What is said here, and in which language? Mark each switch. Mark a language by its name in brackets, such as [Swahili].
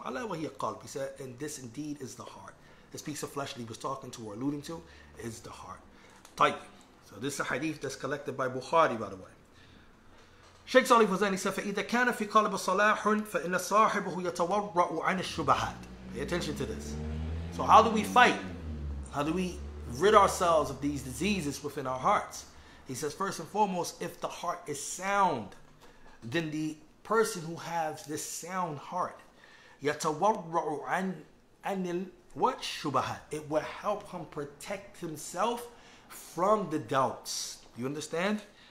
[Arabic] عَلَى وَهِيَ قَالْبِ, [English] he said, and this indeed is the heart. This piece of flesh that he was talking to or alluding to is the heart. [Arabic] طيب. [English] So this is a hadith that's collected by Bukhari, by the way. Shaykh Salih Fuzani said, [Arabic] فَإِذَا كَانَ فِي قَلَبَ صَلَاحٌ فَإِنَّ صَاحِبُهُ يَتَوَرَّعُ عَنِ الشُّبَهَاتِ. [English] Pay attention to this. So how do we fight? How do we rid ourselves of these diseases within our hearts? He says, first and foremost, if the heart is sound, then the person who has this sound heart, [Arabic] يَتَوَرَّعُ عَنِ [English] what [Arabic] الشُّبَهَاتِ, [English] it will help him protect himself from the doubts. You understand?